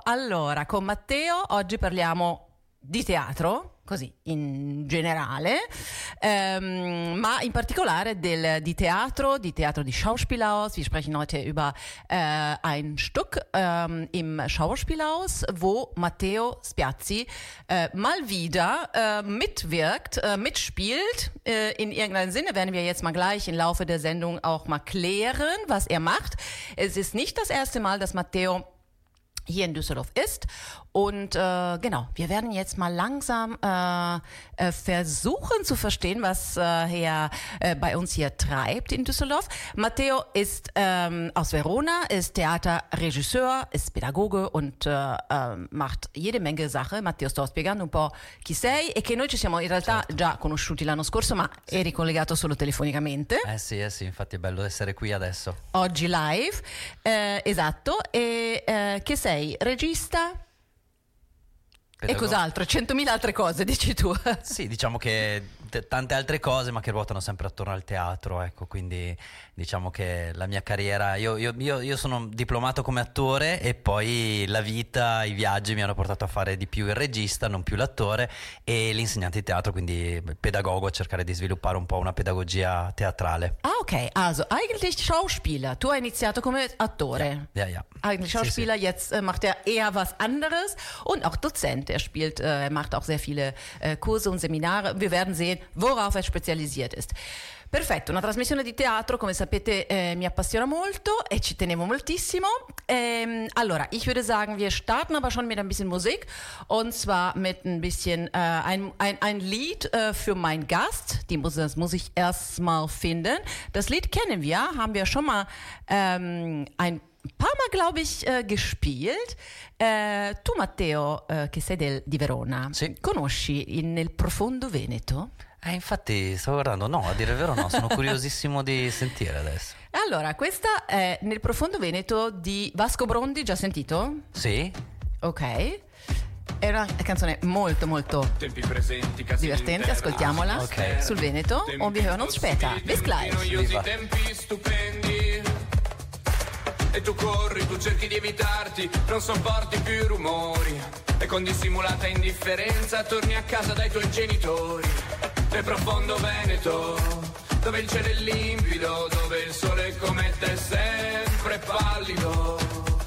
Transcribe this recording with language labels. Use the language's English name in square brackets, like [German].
[Italian] Allora, con Matteo oggi parliamo di teatro, così, in generale, ma in particolare di teatro di Schauspielhaus. [German] Wir sprechen heute über ein Stück im Schauspielhaus, wo Matteo Spiazzi mal wieder mitwirkt, mitspielt. In irgendeinem Sinne werden wir jetzt mal gleich im Laufe der Sendung auch mal klären, was er macht. Es ist nicht das erste Mal, dass Matteo hier in Düsseldorf ist. Und genau, wir werden jetzt mal langsam versuchen zu verstehen, was er bei uns hier treibt in Düsseldorf. Matteo ist aus Verona, ist Theaterregisseur, ist Pädagoge und macht jede Menge Sachen. [Italian] Matteo, sto spiegando un po' chi sei e che noi ci siamo in realtà certo già conosciuti l'anno scorso, ma sì, eri collegato solo telefonicamente. Sì, infatti è bello essere qui adesso. Oggi live, esatto. E che sei? Regista? Pedagogo. E cos'altro? 100.000 altre cose, dici tu. Sì, diciamo che tante altre cose, ma che ruotano sempre attorno al teatro, ecco, quindi diciamo che la mia carriera, io sono diplomato come attore e poi la vita, i viaggi mi hanno portato a fare di più il regista, non più l'attore, e l'insegnante di teatro, quindi pedagogo, a cercare di sviluppare un po' una pedagogia teatrale. Ah, ok, [German] also eigentlich Schauspieler, [Italian] tu hai iniziato come attore. [German] Ja, ja. Eigentlich Schauspieler, [Italian] sì, sì. [German] Jetzt macht er eher was anderes und auch Dozent, er spielt, er macht auch sehr viele Kurse und Seminare, wir werden sehen, worauf er spezialisiert ist. [Italian] Perfetto, una trasmissione di teatro, come sapete, mi appassiona molto e ci tenevo moltissimo. [German] Allora, ich würde sagen, wir starten aber schon mit ein bisschen Musik und zwar mit ein bisschen ein Lied für meinen Gast. Das muss ich erstmal finden. Das Lied kennen wir, haben wir schon mal ein paar Mal, glaube ich, gespielt. [Italian] Tu Matteo, che sei di Verona, sì, conosci nel profondo Veneto? Infatti stavo guardando, no, a dire il vero no, sono curiosissimo di sentire adesso. Allora, questa è Nel profondo Veneto di Vasco Brondi, già sentito? Sì. Ok, è una canzone molto molto tempi presenti, divertente, terra, ascoltiamola, okay, sul Veneto, [German] on vi hören uns später, bis gleich. [Italian] Tempi stupendi. E tu corri, tu cerchi di evitarti, non sopporti più i rumori. E con dissimulata indifferenza torni a casa dai tuoi genitori. Nel profondo Veneto, dove il cielo è limpido, dove il sole come te è sempre pallido.